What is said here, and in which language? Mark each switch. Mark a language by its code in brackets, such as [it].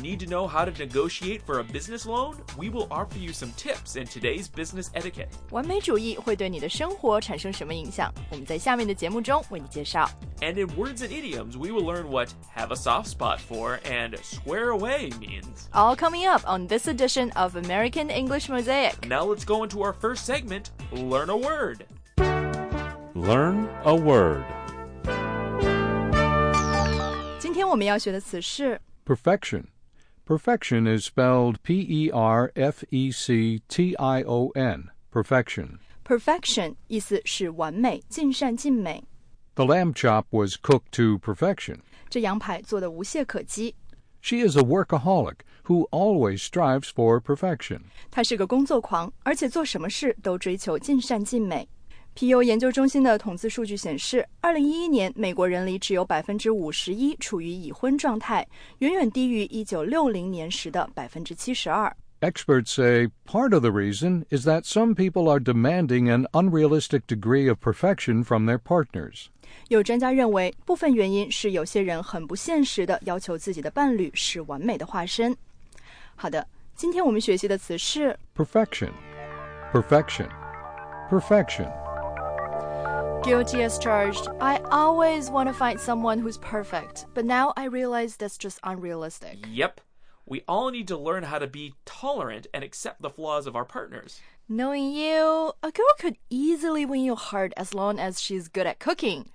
[en] Need to know how to negotiate for a business loan? We will offer you some tips in today's business etiquette. [zh] 完美主义会对你的生活产生什么影响？我们在下面的节目中为你介绍。 [en] And in words and idioms, we will learn what have a soft spot for and square away means. All coming up on this edition of American English Mosaic. Now let's go into our first segment, Learn a Word. Learn a Word. [zh] 今天我们要学的词是 [en] Perfection. Perfection is spelled P-E-R-F-E-C-T-I-O-N. Perfection. [zh] Perfection 意思是完美，尽善尽美。 [en] The lamb chop was cooked to perfection. [zh] 这羊排做得无懈可击。 [en] She is a workaholic who always strives for perfection. [zh] 她是个工作狂，而且做什么事都追求尽善尽美。皮尤研究中心的统计数据显示，2011年美国人里只有 51% 处于已婚状态，远远低于1960年时的 72%。 [en] Experts say part of the reason is that some people are demanding an unrealistic degree of perfection from their partners. [zh] 有专家认为，部分原因是有些人很不现实地要求自己的伴侣是完美的化身。好的，今天我们学习的词是 [en] Perfection. Perfection. Perfection. Guilty as charged, I always want to find someone who's perfect, but now I realize that's just unrealistic. Yep. We all need to learn how to be tolerant and accept the flaws of our partners. Knowing you, a girl could easily win your heart as long as she's good at cooking.